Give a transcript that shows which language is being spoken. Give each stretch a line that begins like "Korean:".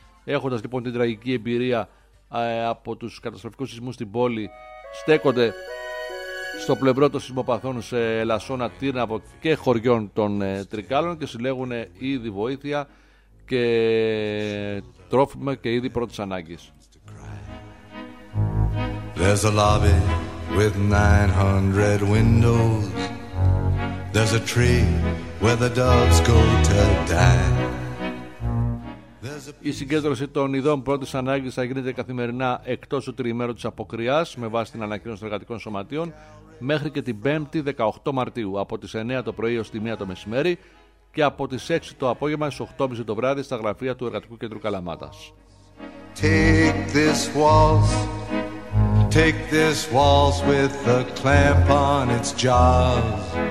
Greek: Έχοντας λοιπόν την τραγική εμπειρία από τους καταστροφικούς σεισμούς στην πόλη, στέκονται στο πλευρό των σεισμοπαθών σε Ελασσόνα, Τύρναβο και χωριών των Τρικάλων και συλλέγουν ήδη βοήθεια και τρόφιμα και ήδη πρώτης ανάγκης.
English: There's a lobby with 900 windows. There's a tree where the dogs go to die.
Greek: Η συγκέντρωση των ειδών πρώτης ανάγκης θα γίνεται καθημερινά εκτός του τριημέρου της αποκριάς με βάση την ανακοίνωση των εργατικών σωματείων μέχρι και την 5η 18 Μαρτίου από τις 9 το πρωί ως τη 1 το μεσημέρι και από τις 6 το απόγευμα στις 8.30 το βράδυ στα γραφεία του Εργατικού Κέντρου Καλαμάτας.
English: Take this waltz, take this waltz with the clamp on its jaws.